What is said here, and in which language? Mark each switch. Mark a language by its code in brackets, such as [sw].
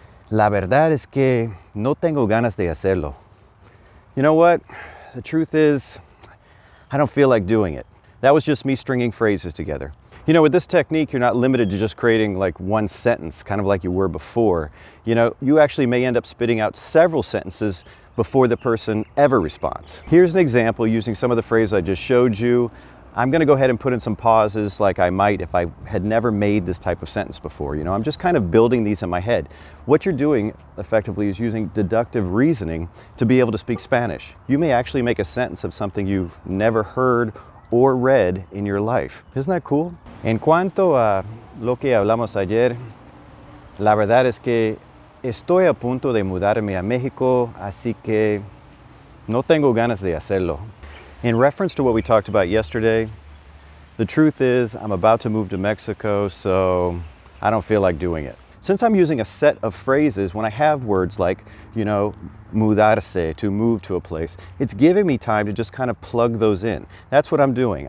[es] La verdad es que no tengo ganas de hacerlo. [en] You know what? The truth is, I don't feel like doing it. That was just me stringing phrases together. You know, with this technique, you're not limited to just creating like one sentence, kind of like you were before. You know, you actually may end up spitting out several sentences before the person ever responds. Here's an example using some of the phrases I just showed you. I'm gonna go ahead and put in some pauses like I might if I had never made this type of sentence before. You know, I'm just kind of building these in my head. What you're doing effectively is using deductive reasoning to be able to speak Spanish. You may actually make a sentence of something you've never heard or read in your life. Isn't that cool? [es] En cuanto a lo que hablamos ayer, la verdad es que estoy a punto de mudarme a México, así que no tengo ganas de hacerlo. [en] In reference to what we talked about yesterday, the truth is I'm about to move to Mexico, so I don't feel like doing it. Since I'm using a set of phrases, when I have words like, you know, mudarse, to move to a place, it's giving me time to just kind of plug those in. That's what I'm doing.